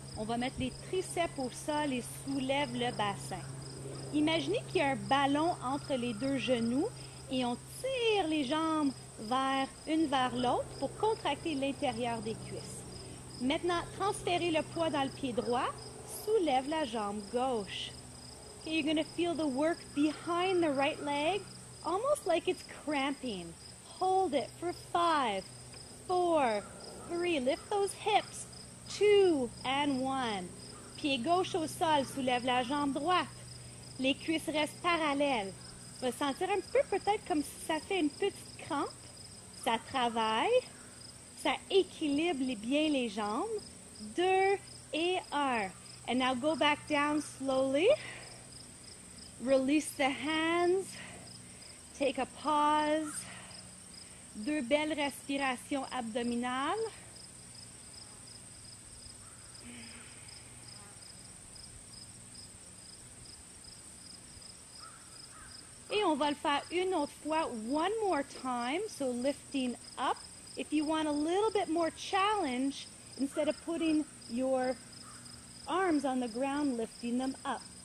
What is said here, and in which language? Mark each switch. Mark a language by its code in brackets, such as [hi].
[fr] On va mettre les triceps au sol et soulève le bassin. Imaginez qu'il y a un ballon entre les deux genoux et on tire les jambes vers une vers l'autre pour contracter l'intérieur des cuisses. Maintenant, transférez le poids dans le pied droit. Soulève la jambe gauche. [en] Okay, you're going to feel the work behind the right leg, almost like it's cramping. Hold it for 5, 4, 3. Lift those hips. 2 and 1. [fr] Pied gauche au sol, soulève la jambe droite. Les cuisses restent parallèles. Va sentir un peu peut-être comme si ça fait une petite crampe. Ça travaille. Ça équilibre bien les jambes. 2 et 1. [en] And now go back down slowly. Release the hands. Take a pause. [fr] 2 belles respirations abdominales. Et on va le faire une autre fois, [en] one more time. So lifting up. If you want a little bit more challenge, instead of putting your arms on the ground, lifting them up.